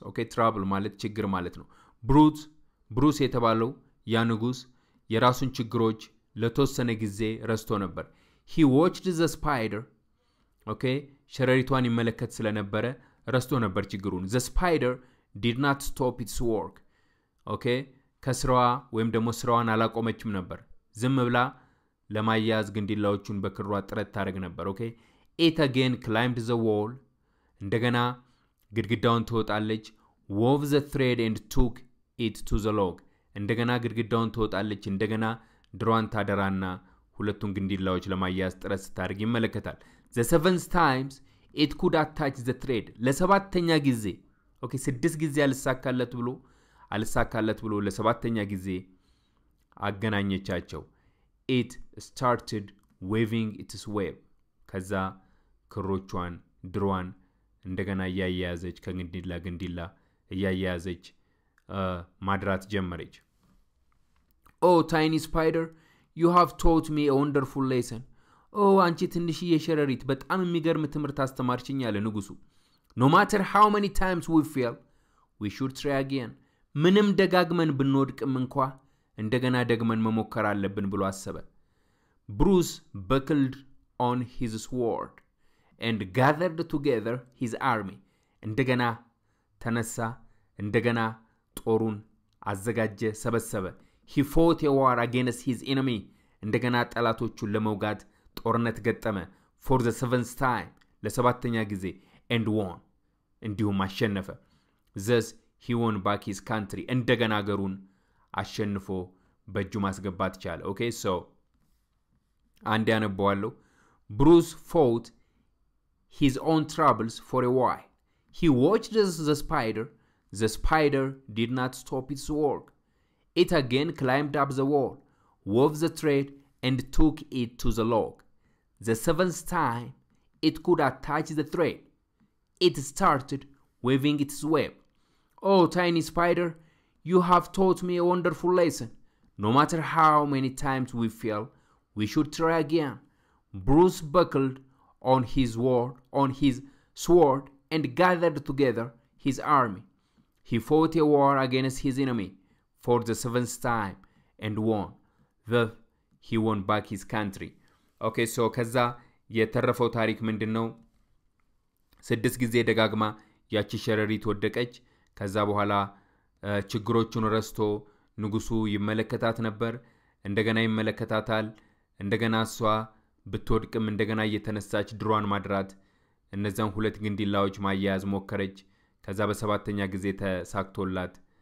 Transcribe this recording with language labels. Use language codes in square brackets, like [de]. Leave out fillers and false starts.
[am] Okay, trouble ማለት ችግር ማለት ነው። Bruce የተባለው ያ ንጉስ የራሱን ችግሮች ለተወሰነ ጊዜ ረስቶ ነበር። [en] He watched the spider. [am] Okay, ሸረሪቷን ይመለከት ስለነበረ ረስቶ ነበር ችግሩን። [en] The spider did not stop its work. [am] Okay, ከስራዋ ወይም ደግሞ ስራዋን አላቆመችም ነበር። ዝም ብላ ለማያዝ ግንድላዎቹን በክሯ ጥረት ታደርግ ነበር። [en] Okay, it again climbed the wall. [am] እንደገና ግድግዳውን ተወጣለች። [en] Wove the thread and took it to the log. [am] እንደገና ግድግዳውን ተወጣለች። እንደገና ድሯን ታደራና ሁለቱን ግንድላዎች ለማያዝ ጥረት ስታደርግ ይመለከታል። [en] The seventh times it could attach the thread. [am] ለሰባተኛ ጊዜ ኦኬ 6 ጊዜ አልሳካለት ብሎ ለሰባተኛ ጊዜ አገናኘቻቸው። [en] It started waving its web. [am] ከዛ ክሮቿን ድሯን እንደገና ያያያዘች ከግንድላ ግንድላ ያያያዘች ማድራት ጀመረች። [en] Oh tiny spider, you have taught me a wonderful lesson. [am] Oh አንቺ ትንሽዬ ሸረሪት በጣም የሚገርም ትምህርት አስተማርሽኝ ያለ ንጉሱ። [en] No matter how many times we fail, we should try again. [am] ምንም ደጋግመን ብንወድቅም እንኳን እንደገና ደግመን መሞከር አለብን ብሎ አሰበ። [en] Bruce buckled on his sword and gathered together his army. [am] እንደገና ተነሳ። እንደገና ጦሩን አዘጋጀ ሰበሰበ። [en] He fought a war against his enemy. [am] እንደገና ጠላቶቹን ለመውጋት ጦርነት ገጠመ። [en] For the seventh time. [am] ለሰባተኛ ጊዜ. [en] And won. [am] እንዲሁም አሸነፈ። [en] Thus he won back his country. [am] እንደገና አገሩን አሸንፎ በእጁ ማስገባት ቻለ። [en] Okay, so [am] አንድ ያነባዋለሁ። [en] Bruce fought his own troubles for a while. He watched the spider. The spider did not stop its work. It again climbed up the wall, wove the thread, and took it to the log. The seventh time, it could attach the thread. it started weaving its web. Oh, tiny spider, you have taught me a wonderful lesson. No matter how many times we fail, we should try again. Bruce buckled on his sword and gathered together his army. He fought a war against his enemy for the seventh time and won. Thus, he won back his country. [am] Okay, so kaza የተረፈው ታሪክ ምንድነው? ስድስት ጊዜ ደጋግማ ያቺ ሸረሪት ወደቀች። ከዛ በኋላ ችግሮቹን ረስቶ ንጉሱ ይመለከታት ነበር። እንደገና ይመለከታታል። እንደገና ሷ በትወድቅም እንደገና እየተነሳች ድሯን ማድራት እነዛን ሁለት ግንዲላዎች ማያያዝ ሞከረች። ከዛ በሰባተኛ ጊዜ ተሳክቶላት